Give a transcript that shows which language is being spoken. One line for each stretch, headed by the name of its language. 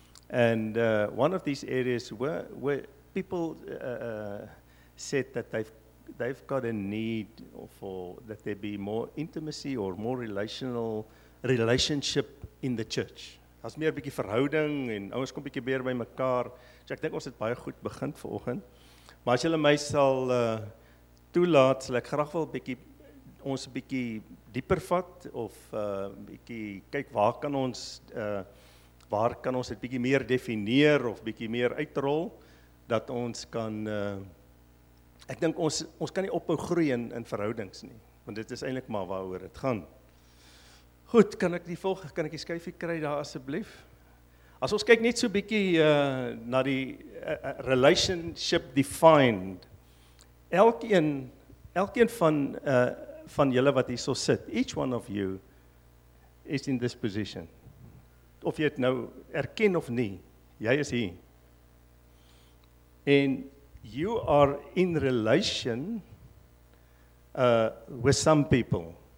English: And one of these areas where people said that they've got a need for that there be more intimacy or more relationship in the church.
Afrikaans: Daar's meer 'n bietjie verhouding en ouens kom bietjie meer by mekaar. So ek dink ons het baie goed begin vanoggend. Maar as julle my sal toelaat, sal ek graag wil ons 'n bietjie dieper vat of bietjie kyk waar kan ons dit bietjie meer definieer of bietjie meer uitrol dat ons kan Ek dink ons kan nie ophou groei in verhoudings nie, want dit is eintlik maar waaroor dit gaan. Goed, kan ek die skyfie kry daar asseblief? As ons kyk net so bietjie na die relationship defined. Elkeen van julle wat hier so sit,
English: each one of you is in this position.
Afrikaans: Of jy het nou erken of nie, jy is hier.
English: En you are in relation with some people.